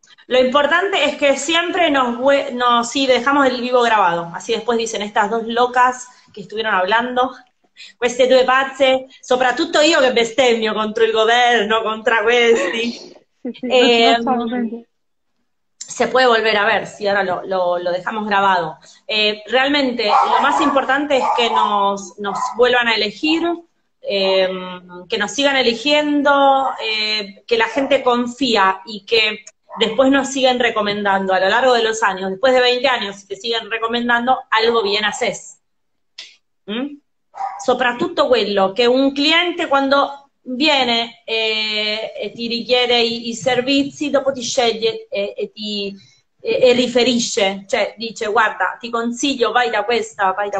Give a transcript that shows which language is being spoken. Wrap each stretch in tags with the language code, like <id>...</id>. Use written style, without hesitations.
<es>è che siempre sí, dejamos el vivo grabado, así después dicen estas dos locas que estuvieron hablando, queste due pazze, soprattutto io che bestemmio contro il governo, contro questi.</es> <it>Sì, non ci facciamo sentire.</it> <es>Se puede volver a ver, sí, ahora lo dejamos grabado. Realmente lo más importante es que nos vuelvan a elegir, que nos sigan eligiendo, que la gente confía y que después nos siguen recomendando a lo largo de los años, después de 20 años, si te siguen recomendando, algo bien haces.</es> <it>Soprattutto quello, che un cliente cuando viene e ti richiede i servizi, dopo ti sceglie e riferisce, cioè dice: guarda, ti consiglio, vai da questa, vai da</it>